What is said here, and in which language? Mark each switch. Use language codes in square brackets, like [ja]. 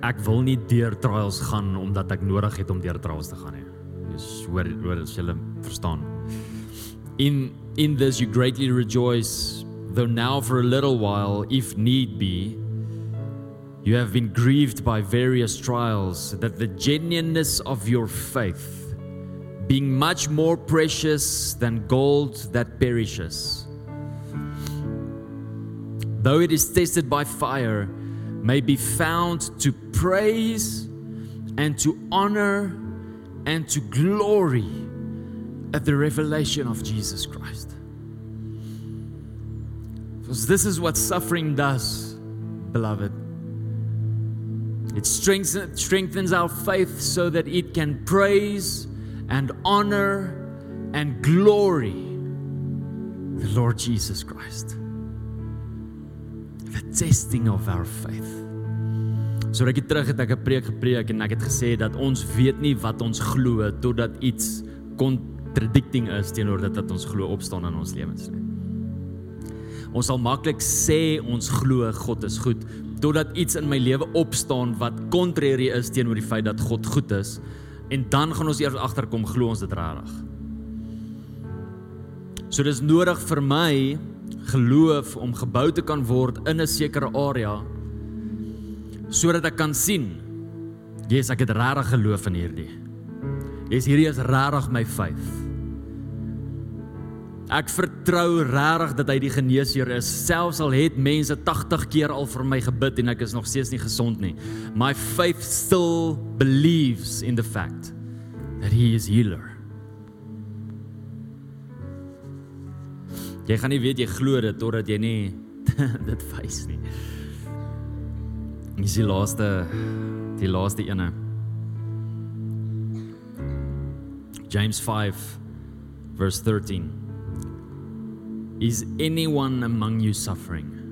[af] Ek wil nie deur trials gaan omdat ek nodig het om deur trials te gaan nie. Dis hoor as jy verstaan. [en] In this you greatly rejoice, though now for a little while, if need be, you have been grieved by various trials, that the genuineness of your faith, being much more precious than gold that perishes, though it is tested by fire, may be found to praise and to honor and to glory at the revelation of Jesus Christ. Because this is what suffering does, beloved. It strengthens our faith so that it can praise and honor and glory the Lord Jesus Christ. The testing of our faith. [af] So ek het terug het ek 'n preek gepreek en ek het gesê dat ons weet nie wat ons glo totdat iets contradicting is teenoor dit wat ons glo opstaan in ons lewens nie. Ons sal maklik sê ons glo God is goed totdat iets in my lewe opstaan wat contrary is teenoor die feit dat God goed is en dan gaan ons eers agterkom glo ons dit regtig. So dis nodig vir my geloof om gebou te kan word in 'n sekere area sodat ek kan sien Jesus, ek het regtig geloof in hierdie. Jesus, hierdie is regtig my vyf. Ek vertrou regtig dat hy die geneesheer is. Selfs al het mense 80 keer al vir my gebid en ek is nog steeds nie gesond nie. [en] My faith still believes in the fact that he is healer. [af] Jy gaan nie weet jy glo dit totdat jy nie dit wys nie. Dis die laaste ene. [en] James 5 verse 13. Is anyone among you suffering?